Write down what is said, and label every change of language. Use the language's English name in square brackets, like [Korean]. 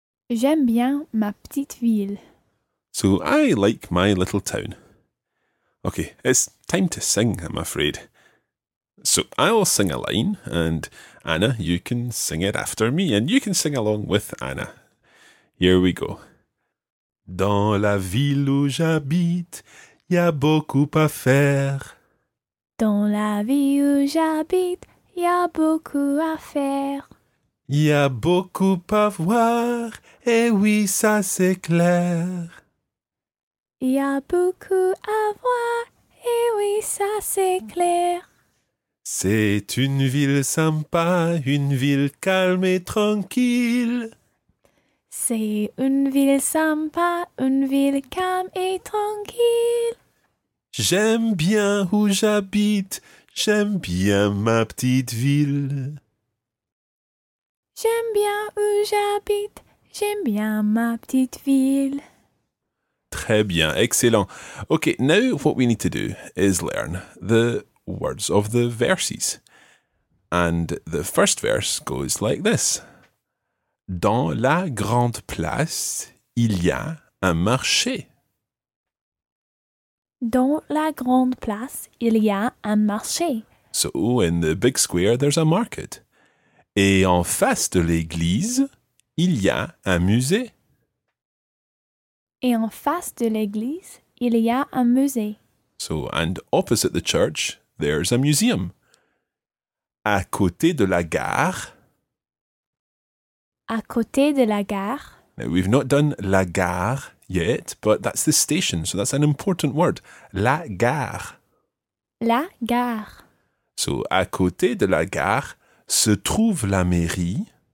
[French] J'aime bien ma petite ville. [English] So I like my little town. Okay, it's time to sing, I'm afraid. So I'll sing a line and Anna, you can sing it after me and you can sing along with Anna. Here we go. [French] Dans la ville où j'habite, y a beaucoup à faire. Dans la ville où j'habite, y a beaucoup à faire. Y a beaucoup à voir, et oui, ça c'est clair. Y a beaucoup à voir, et oui, ça c'est clair. C'est une ville sympa, une ville calme et tranquille. C'est une ville sympa, une ville calme et tranquille. J'aime bien où j'habite, j'aime bien ma petite ville. J'aime bien où j'habite, j'aime bien ma petite ville. Très bien, excellent. [English] Okay, now what we need to do is learn the words of the verses. And the first verse goes like this. [French] Dans la grande place, il y a un marché. Dans la grande place, il y a un marché. [English] So, in the big square, there's a market. [French] Et en face de l'église, il y a un musée. Et en face de l'église, il y a un musée. [English] So, and opposite the church, there's a museum. [French] À côté de la gare... À côté de la gare. [English] Now, we've not done la gare yet, but that's the station, so that's an important word. [French] La gare. La gare. So, à côté de la gare se trouve la mairie.